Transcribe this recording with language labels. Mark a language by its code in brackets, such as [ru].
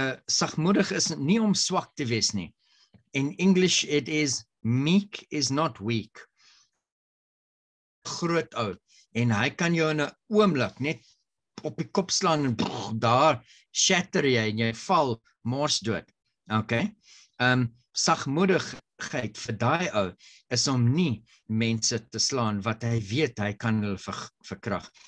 [af] Sagmoedig is nie om swak te wees nie. [en] In English it is meek is not weak. [af] Groot ou en hy kan jou in 'n oomblik net op die kop slaan en brrr, daar shatter jy en jy val mors dood. Okay? Sagmoedigheid vir daai ou is om nie mense te slaan wat hy weet hy kan hulle verkrag.